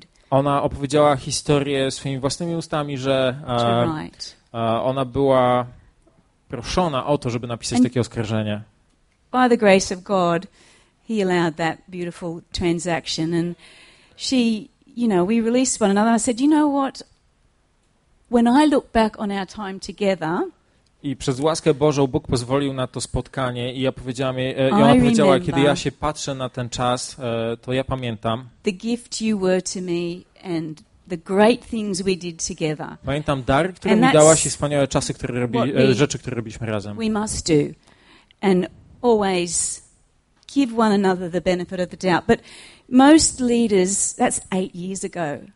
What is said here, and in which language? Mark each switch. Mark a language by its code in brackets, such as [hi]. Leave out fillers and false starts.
[pl] Ona opowiedziała historię swoimi własnymi ustami, że ona była proszona o to, żeby napisać takie oskarżenie. [en] By the grace of God, he allowed that beautiful transaction. And she, you know, we released one another. I said, you know what? When I look back on our time together, [pl] i przez łaskę Bożą Bóg pozwolił na to spotkanie i ja powiedziałam jej, i ona powiedziała, kiedy ja się patrzę na ten czas, to ja pamiętam. [en] The gift you were to me and the great things we did together. [pl] Pamiętam dar, który mi dałaś i wspaniałe czasy, które rzeczy, które robiliśmy razem. [en] We must do and always give one another the benefit of the doubt. But most leaders, that's 8 years ago.